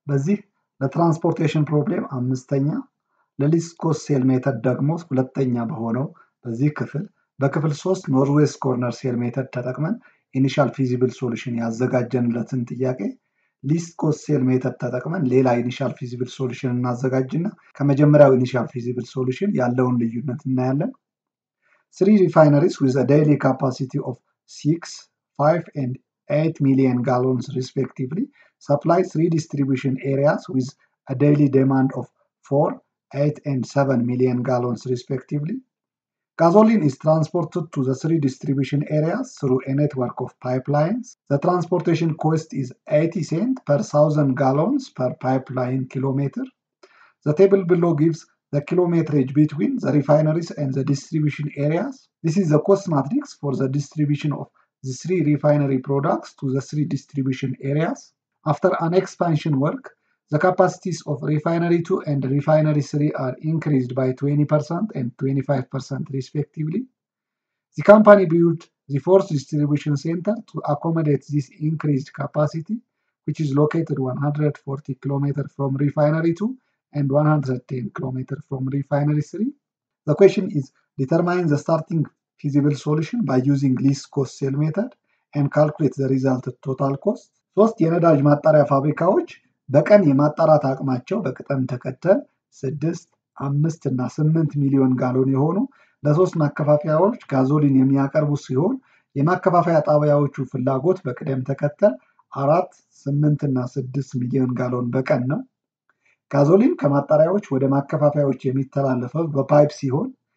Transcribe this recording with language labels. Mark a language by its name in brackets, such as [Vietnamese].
[Amharic] በዚህ ለትራንስፖርቴሽን ፕሮብለም አምስተኛ ለሊስት ኮስት ሴል ሜተድ ደግሞ ሁለተኛ በሆነው በዚህ ክፍል በክፍል 3 ኖርዌስ ኮርነር ሴል ሜተድ ተጠቅመን ኢኒሻል ፊዚብል ሶሉሽን ያዘጋጀንለትን ጥያቄ ሊስት ኮስት ሴል ሜተድ ተጠቅመን ሌላ ኢኒሻል ፊዚብል ሶሉሽን እናዘጋጅና ከመጀመሪያው ኢኒሻል ፊዚብል ሶሉሽን ያለውን ልዩነት እናያለን። [English] 3 refineries with a daily capacity of 6, 5 and 8 million gallons respectively supply 3 distribution areas with a daily demand of 4, 8 and 7 million gallons respectively. Gasoline is transported to the 3 distribution areas through a network of pipelines. The transportation cost is 80 cents per 1000 gallons per pipeline kilometer. The table below gives the kilometerage between the refineries and the distribution areas. This is the cost matrix for the distribution of the 3 refinery products to the 3 distribution areas. After an expansion work, the capacities of Refinery 2 and Refinery 3 are increased by 20% and 25% respectively. The company built the 4th distribution center to accommodate this increased capacity, which is located 140 km from Refinery 2 and 110 km from Refinery 3. The question is, determine the starting feasible solution by using least cost sale method and calculate the resulted total cost. [Amharic] ሶስት የነዳጅ ማጣሪያ ፋብሪካዎች በቀን የማጣራት አቅማቸው በቅጠም ተከተል 6 5 እና 8 ሚሊዮን ጋሎን የሆኑ ለሶስት ማከፋፊያዎች ጋዞሊን የሚያቀርቡ ሲሆን የማከፋፊያ ጣቢያዎቹ ፍላጎት በቅደም ተከተል 4 8 እና 6 ሚሊዮን ጋሎን በቀን ነው። ጋዞሊን ከማጣሪያዎች ወደ ማከፋፊያዎች የሚተላለፈው በፓይፕ ሲሆን